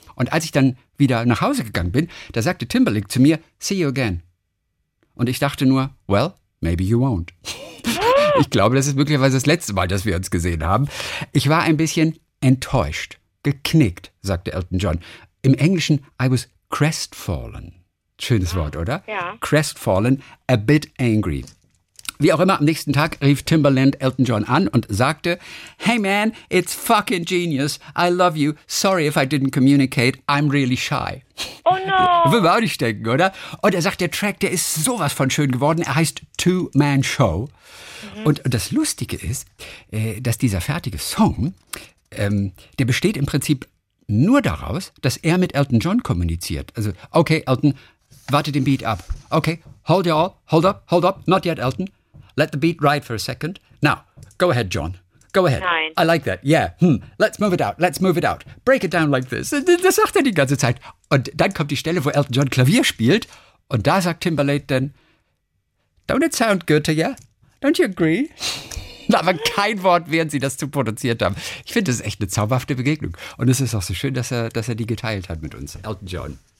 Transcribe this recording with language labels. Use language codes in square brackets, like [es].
[de] Und als ich dann wieder nach Hause gegangen bin, da sagte Timberlake zu mir, [en] "See you again." [de] Und ich dachte nur, [en] well, maybe you won't. [de] Ich glaube, das ist möglicherweise das letzte Mal, dass wir uns gesehen haben. Ich war ein bisschen enttäuscht, geknickt, sagte Elton John. Im Englischen, [en] I was crestfallen. [de] Schönes Wort, oder? Ja. [en] Crestfallen, a bit angry. [de] Wie auch immer, am nächsten Tag rief Timbaland Elton John an und sagte, [en] "Hey man, it's fucking genius. I love you. Sorry if I didn't communicate. I'm really shy." Oh no. [de] Würde man auch nicht denken, oder? Und er sagt, der Track, der ist sowas von schön geworden. Er heißt Two-Man Show. Mhm. Und das Lustige ist, dass dieser fertige Song, der besteht im Prinzip nur daraus, dass er mit Elton John kommuniziert. Also, okay, Elton, warte den Beat ab. [en] Okay, hold y'all, hold up, not yet, Elton. Let the beat ride for a second. Now, go ahead, John. Go ahead. [de] Nein. [en] I like that, yeah. Let's move it out, let's move it out. Break it down like this. [de] Das sagt er die ganze Zeit. Und dann kommt die Stelle, wo Elton John Klavier spielt. Und da sagt Timberlake dann, [en] don't it sound good to you? Don't you agree? [de] Aber kein Wort, während sie das zu produziert haben. Ich finde, das ist echt eine zauberhafte Begegnung. Und es ist auch so schön, dass er die geteilt hat mit uns, Elton John.